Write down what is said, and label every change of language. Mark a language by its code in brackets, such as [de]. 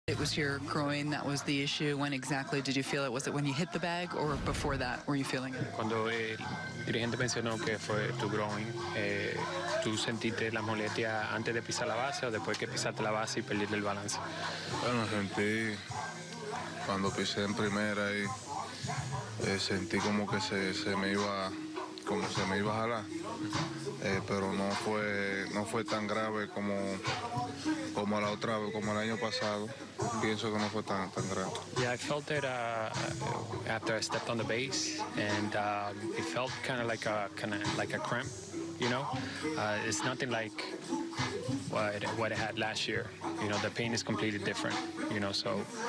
[en] It was your groin that was the issue. When exactly did you feel it? Was it when you hit the bag or before that were you feeling it? [es] Cuando el dirigente mencionó que fue tu groin, ¿tú sentiste la molestia antes de pisar la base o después que pisaste la base y perdiste el balance? Bueno, sentí cuando pisé en primera y sentí como que se me iba a jalar, pero no fue tan grave como la otra vez, como el año pasado. Pienso que no fue tan grave. [en] Yeah, I felt it after I stepped on the base, and it felt kind of like a cramp, you know. It's nothing like what I had last year. You know, the pain is completely different. You know, so.